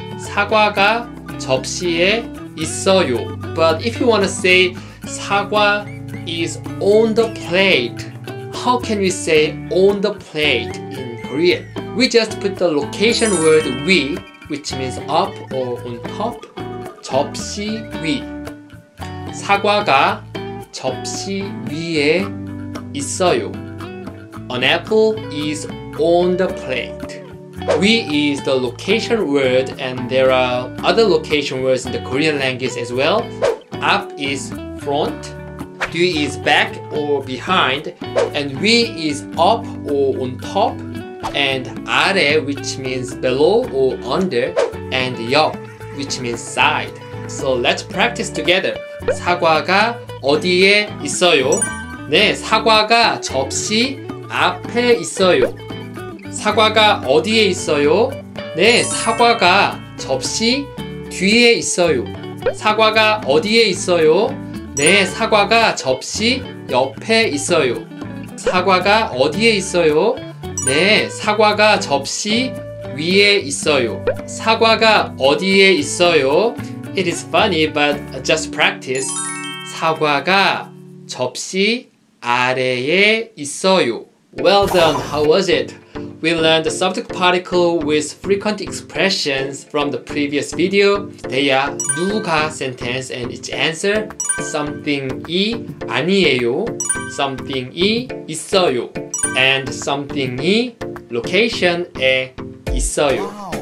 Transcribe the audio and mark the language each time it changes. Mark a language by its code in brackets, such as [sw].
[ko] 사과가 접시에 있어요. [en] But if you want to say 사과 is on the plate, how can we say on the plate in Korean? We just put the location word 위, which means up or on top. [ko] 접시 위. 사과가 접시 위에 있어요. [en] An apple is on the plate. 위 is the location word, and there are other location words in the Korean language as well. Up is front, 뒤 is back or behind, and 위 is up or on top, and 아래, which means below or under, and 옆, which means side. So let's practice together. [ko] 사과가 어디에 있어요? 네, 사과가 접시 앞에 있어요. 사과가 어디에 있어요? 네, 사과가 접시 뒤에 있어요. 사과가 어디에 있어요? 네, 사과가 접시 옆에 있어요. 사과가 어디에 있어요? 네, 사과가 접시 위에 있어요. 사과가 어디에 있어요? [en] It is funny, but just practice. [ko] 사과가 접시 아래에 있어요. [en] Well done, how was it? We learned the subject particle with frequent expressions from the previous video. They are 누가 sentence and its answer. Something이 아니에요. Something이 있어요. And something이 location에 있어요.